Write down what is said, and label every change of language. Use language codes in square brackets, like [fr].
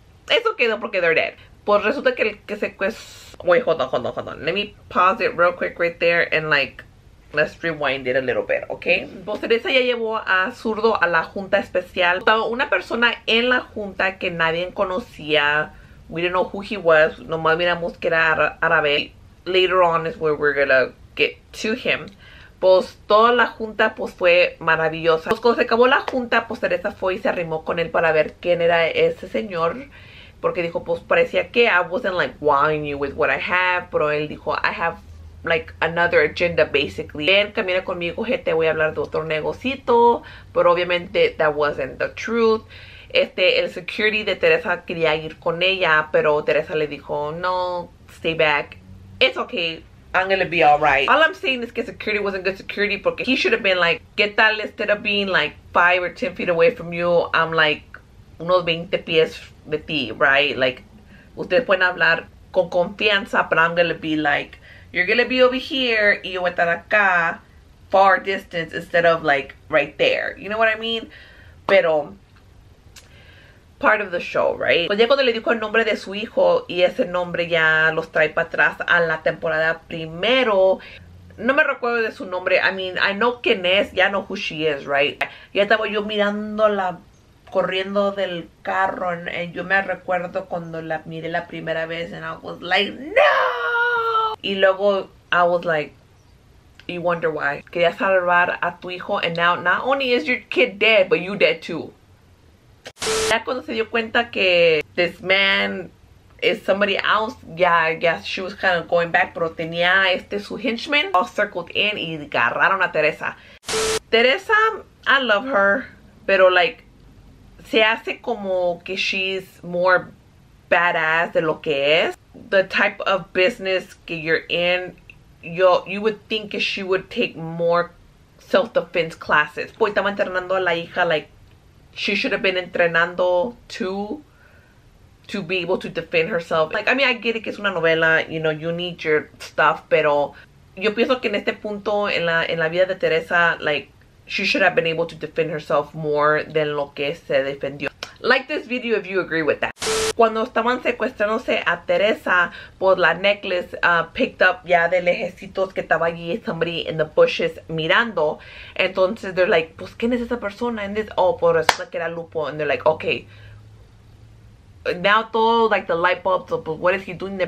[es] Eso quedó porque [en] they're dead. [es] Pues resulta que el que secuestró... [en] Wait, hold on. Let me pause it real quick right there and like... Let's rewind it a little bit, okay? [es] Pues Teresa ya llevó a Zurdo a la junta especial. Estaba una persona en la junta que nadie conocía. [en] We didn't know who he was. [es] Nomás miramos que era árabe. [en] Later on is where we're gonna get to him. [es] Pues toda la junta pues fue maravillosa. Pues cuando se acabó la junta, pues Teresa fue y se arrimó con él para ver quién era ese señor. Porque dijo, pues parecía que [en] I wasn't like wowing you with what I have. [es] Pero él dijo, [en] I have... like another agenda basically. [es] Ven, camina conmigo, je, te voy a hablar de otro negocito. Pero obviamente [en] that wasn't the truth. [es] El security de Teresa quería ir con ella, pero Teresa le dijo, no, [en] stay back. It's okay, I'm gonna be alright. All I'm saying is que security wasn't good security, porque he should have been like, [es] ¿qué tal [en] instead of being like 5 or 10 feet away from you, I'm like [es] unos 20 pies de ti, [en] right? Like, [es] ustedes pueden hablar con confianza, [en] but I'm gonna be like, you're gonna be over here, [es] y yo voy a estar acá, [en] far distance, instead of, like, right there. You know what I mean? Pero, part of the show, right? [es] Pues ya cuando le dijo el nombre de su hijo, y ese nombre ya los trae para atrás a la temporada primero. No me recuerdo de su nombre. [en] I mean, I know [es] quién es, [en] ya know who she is, right? [es] Ya estaba yo mirándola, corriendo del carro, and yo me recuerdo cuando la miré la primera vez, [en] and I was like, [es] no! Y luego, [en] I was like, you wonder why. [es] Quería salvar a tu hijo, [en] and now, not only is your kid dead, but you dead too. [es] Ya cuando se dio cuenta que [en] this man is somebody else, ya she was kind of going back, [es] pero tenía su [en] henchman, all circled in, [es] y agarraron a Teresa. Teresa, [en] I love her, [es] pero like, se hace como que [en] she's more badass [es] de lo que es. [en] The type of business that you're in, you would think she would take more self-defense classes. [es] Pues estaba entrenando a la hija, [en] like, she should have been entrenando to be able to defend herself. Like, I mean, I get it [es] que es una novela, [en] you know, you need your stuff, [es] pero yo pienso que en este punto en la vida de Teresa, [en] like, she should have been able to defend herself more than [es] lo que se defendió. [en] Like this video if you agree with that. [es] Cuando estaban secuestrándose a Teresa, pues la necklace [en] picked up [es] ya de lejecitos que estaba allí, [en] somebody in the bushes [es] mirando. Entonces, [en] they're like, [es] pues, ¿quién es esa persona? [en] And this, oh, [es] pues resulta que era Lupo. [en] And they're like, okay. Now, todo, like, the light bulbs, so, pues, what is he doing there?